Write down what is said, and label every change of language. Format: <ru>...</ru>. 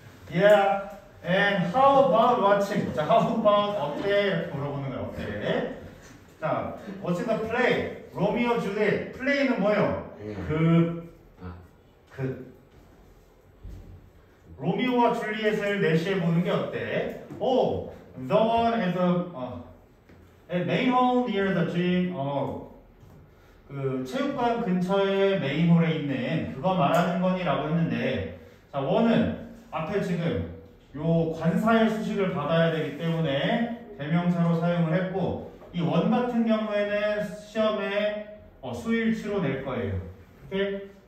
<en>Yeah, and how about watching? 자, how about</en> <ko>어때? 이렇게 물어보는 거예요. 어때? 자,</ko> <en>what's the play?</en> <ko>로미오 줄리엣. 플레이는 뭐예요? 그 로미오와 줄리엣을 4시에 보는 게 어때?</ko> <en>Oh, the one at the main hall near the gym.</en> <ko>그 체육관 근처에 메인 홀에 있는 그거 말하는 거니라고 했는데, 자, 원은 앞에 지금 요 관사의 수식을 받아야 되기 때문에 대명사로 사용을 했고 이 원 같은 경우에는 시험에 수일치로 낼 거예요. 오케이?</ko>